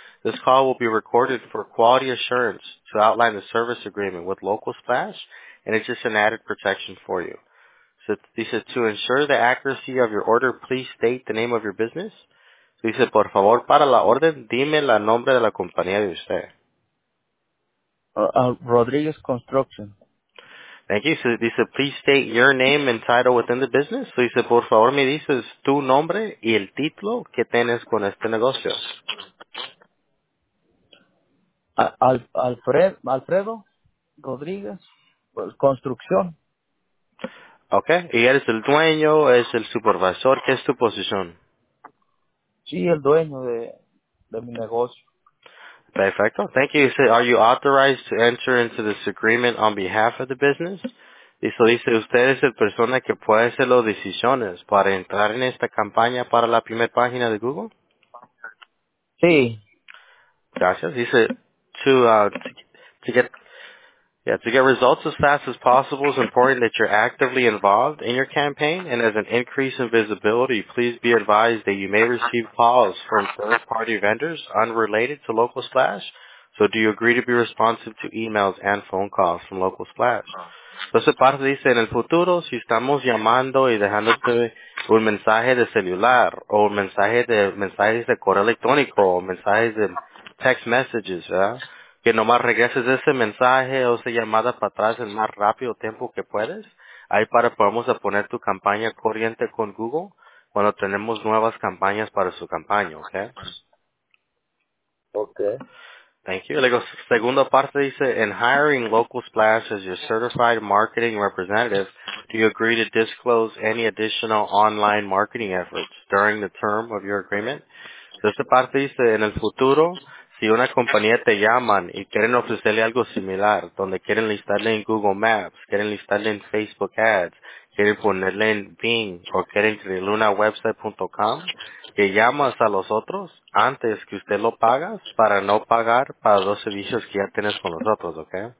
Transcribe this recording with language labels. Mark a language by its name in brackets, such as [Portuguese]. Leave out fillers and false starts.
[English] This call will be recorded for quality assurance to outline the service agreement with Local Splash, and it's just an added protection for you. So, [Spanish] dice, [English] to ensure the accuracy of your order, please state the name of your business. So, [Spanish] dice, por favor, para la orden, dime el nombre de la compañía de usted. [English] Rodriguez Construction. Thank you. So, [Spanish] dice, [English] please state your name and title within the business. So, [Spanish] dice, por favor, me dices tu nombre y el título que tienes con este negocio. Alfredo Rodriguez Construcción. Okay. ¿Y eres el dueño, es el supervisor? ¿Qué es tu posición? Sí, el dueño de mi negocio. Perfecto. [English] Thank you. So, are you authorized to enter into this agreement on behalf of the business? [Spanish] Dice, dice, usted es la persona que puede hacer las decisiones para entrar en esta campaña para la primera página de Google? Sí. Gracias. Dice, [English] to get results as fast as possible, it's important that you're actively involved in your campaign, and as an increase in visibility, please be advised that you may receive calls from third-party vendors unrelated to Local Splash. So do you agree to be responsive to emails and phone calls from Local Splash? [Spanish] Entonces, parte dice, en el futuro, si estamos llamando y dejándote un mensaje de celular, o mensajes de correo electrónico, o mensajes de [English] text messages, [Spanish] ¿verdad? Que nomás regreses ese mensaje o esa llamada para atrás el más rápido tiempo que puedes. Ahí para podemos poner tu campaña corriente con Google cuando tenemos nuevas campañas para su campaña, ¿ok? Ok. [English] Thank you. [Spanish] Luego, segunda parte dice, [English] in hiring Local Splash as your certified marketing representative, do you agree to disclose any additional online marketing efforts during the term of your agreement? [Spanish] Esta parte dice, en el futuro, si una compañía te llaman y quieren ofrecerle algo similar, donde quieren listarle en Google Maps, quieren listarle en Facebook Ads, quieren ponerle en Bing o quieren crearle una website.com, que llamas a los otros antes que usted lo pagas para no pagar para los servicios que ya tienes con los otros, ¿ok?